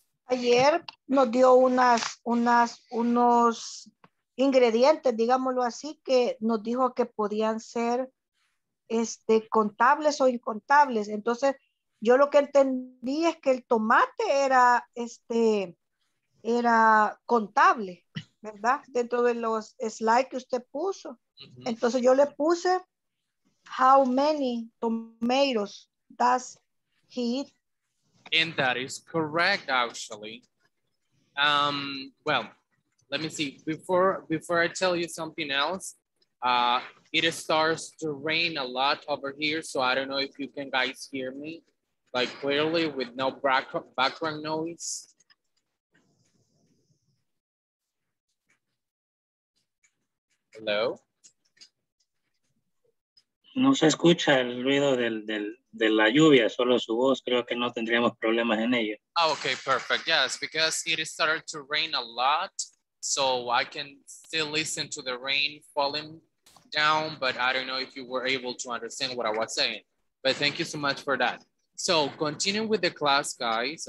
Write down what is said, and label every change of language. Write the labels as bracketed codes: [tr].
[es] Ayer nos dio unos ingredientes, digámoslo así, que nos dijo que podían ser este, contables o incontables. Entonces, yo lo que entendí es que el tomate era, este, era contable, ¿verdad? Dentro de los slides que usted puso. Entonces, yo le puse, [en] how many tomatoes does he eat? And that is correct, actually. Well, let me see. Before I tell you something else, it starts to rain a lot over here, so I don't know if you can guys hear me, like clearly with no background noise. Hello? [es] No se escucha el ruido de la lluvia, solo su voz. Creo que no tendríamos problemas en ello. [en] Okay, perfect. Yes, because it started to rain a lot, so I can still listen to the rain falling down, but I don't know if you were able to understand what I was saying. But thank you so much for that. So continue with the class, guys.